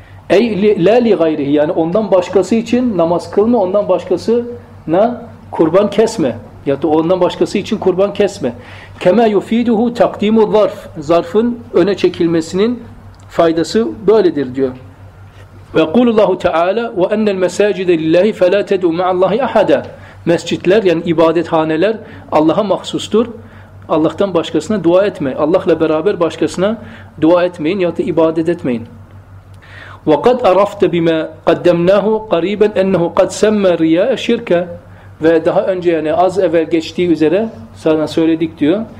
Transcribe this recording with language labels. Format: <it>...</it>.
<ar>اَيْ لَا لِغَيْرِهِ Yani ondan başkası için namaz kılma, ondan başkasına kurban kesme.</ar> <tr>Ya da ondan başkası için kurban kesme.</tr> <ar>كَمَا يُف۪يدُهُ تَقْد۪يمُ الظَّرْفِ</ar> <tr>Zarfın öne çekilmesinin faydası böyledir diyor.</tr> <ar>وَقُولُ اللّٰهُ تَعَالَى وَاَنَّ الْمَسَاجِدَ لِلّٰهِ فَلَا تَدْعُ مَعَ اللّٰهِ اَحَدًا</ar> <tr>Mescitler yani ibadethaneler Allah'a mahsustur. Allah'tan başkasına dua etme. Allah'la beraber başkasına dua etmeyin ya da ibadet etmeyin.</tr> <ar>وَقَدْ عَرَفْتَ بِمَا قَدَّمْنَاهُ قَرِيبًا اَنَّهُ قَدْ سَمَّ رِيَاءَ شِرْكَ</ar> <tr>Ve daha önce yani az evvel geçtiği üzere sana söyledik diyor.</tr>